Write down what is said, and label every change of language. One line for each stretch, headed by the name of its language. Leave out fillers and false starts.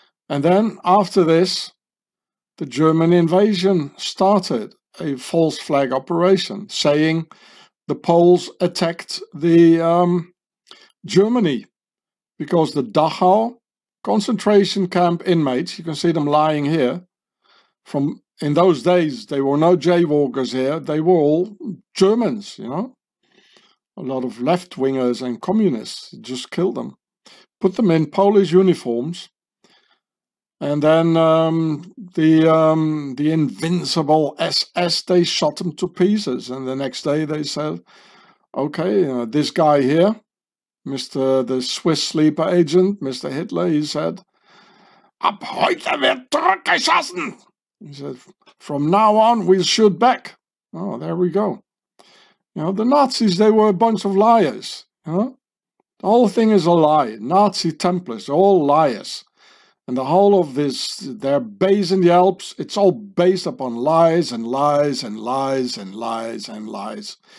English: And then after this, the German invasion started, a false flag operation, saying the Poles attacked the Germany, because the Dachau concentration camp inmates, you can see them lying here, from in those days they were no jaywalkers here, they were all Germans, A lot of left-wingers and communists just killed them, put them in Polish uniforms. And then the invincible SS, they shot them to pieces. And the next day they said, okay, this guy here, Mr. the Swiss sleeper agent, Mr.
German: Hitler,
English: he said,
German: ab heute wird zurückgeschossen.
English: He said, from now on we'll shoot back. Oh, there we go. The Nazis, they were a bunch of liars. The whole thing is a lie. Nazi Templars, all liars. And the whole of this, their base in the Alps, it's all based upon lies and lies and lies and lies and lies.